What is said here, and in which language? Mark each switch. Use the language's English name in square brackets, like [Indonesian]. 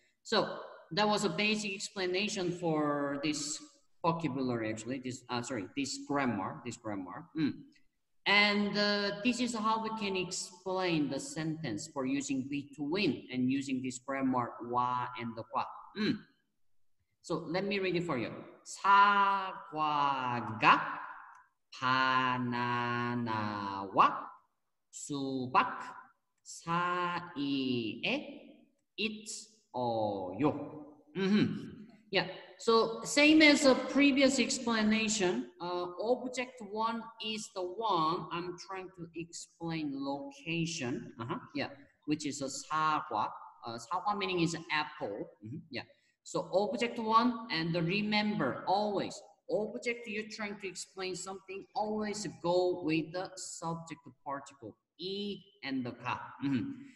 [English] So that was a basic explanation for this vocabulary, actually. This grammar. Mm. And this is how we can explain the sentence for using between and using this grammar 와 and the 과. Mm. So let me read it for you. [Korean] 사과가 바나나와 수박 사이에 있어요. [English] Mm-hmm. Yeah. So same as a previous explanation, object one is the one I'm trying to explain location. Uh-huh. Yeah. Which is a 사과. 사과 meaning is apple. Mm-hmm. Yeah. So object one, and remember always, object you're trying to explain something, always go with the subject particle, e and the ka. Mm-hmm.